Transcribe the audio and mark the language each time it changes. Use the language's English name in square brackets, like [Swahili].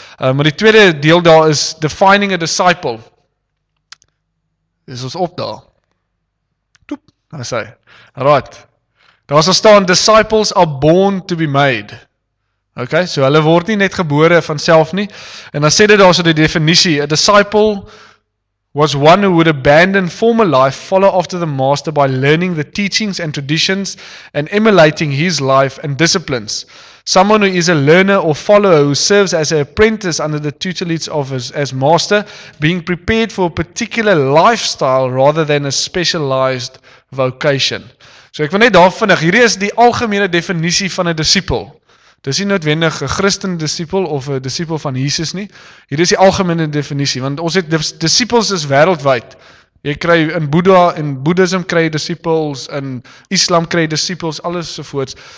[Afrikaans] Maar die tweede deel daar is [English] defining a disciple. [Afrikaans] Dis ons op daar. Toep, nou sê. Right. Daar sal staan [English] disciples are born to be made. [Afrikaans] Ok, so hulle word nie net gebore van self nie. En dan sê dit daar so die definisie. [English] A disciple was one who would abandon former life, follow after the master by learning the teachings and traditions and emulating his life and disciplines. Someone who is a learner or follower who serves as an apprentice under the tutelage of as master, being prepared for a particular lifestyle rather than a specialized vocation. [Afrikaans] So ek wil net daar vinnig, hierdie is die algemene definisie van 'n disipel. Dis nie noodwendig 'n Christen disipel of 'n disipel van Jesus nie. Hier is die algemene definisie, want ons het disipels is wêreldwyd. Jy kry in Boeddha en Boeddhism kry jy disipels, in Islam kry jy disipels, alles so voorts.